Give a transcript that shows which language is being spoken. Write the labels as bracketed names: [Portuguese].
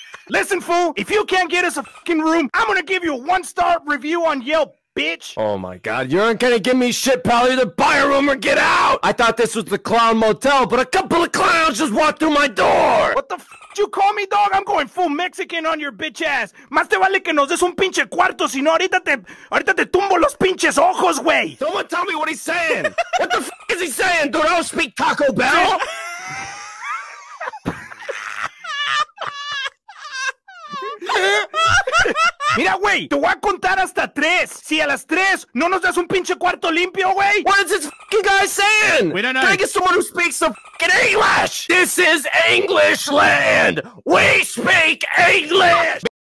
[English] Listen, fool, if you can't get us a fucking room, I'm gonna give you a one-star review on Yelp, bitch. Oh my god, you aren't gonna give me shit, pal. Either buy a room or get out. I thought this was the clown motel, but a couple of clowns just walked through my door. What the fuck you call me, dog? I'm going full Mexican on your bitch ass. [Spanish] Más te vale que nos des un pinche cuarto, si no ahorita te tumbo los pinches ojos, güey. [English] Someone tell me what he's saying. What the fuck is he saying, dude? I don't speak Taco Bell. Mira, güey, te voy a contar hasta tres. Si a las tres no nos das un pinche cuarto limpio, güey. What is this fucking guy saying? We don't know. Can I get someone who speaks some fucking English? This is English land. We speak English.